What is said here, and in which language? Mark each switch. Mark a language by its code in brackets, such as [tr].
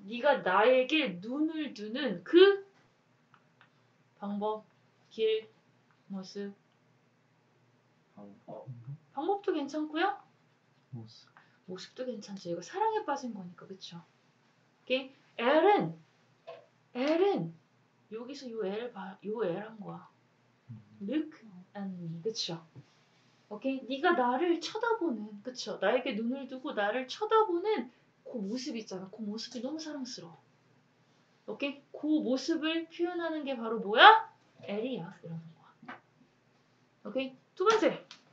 [ko] 네가 나에게 눈을 두는 그 방법, 길, 모습. 방법도 괜찮고요. 모습도 괜찮죠. 이거 사랑에 빠진 거니까, 그쵸? 오케이? L은 여기서 요 L 봐, 요 L 한 거야. [en] Look at me, 그쵸? [ko] 오케이? 네가 나를 쳐다보는, 그쵸? 나에게 눈을 두고 나를 쳐다보는 그 모습 있잖아. 그 모습이 너무 사랑스러워. 오케이? 그 모습을 표현하는 게 바로 뭐야? L이야. 이런 거야. 오케이? 두 번째.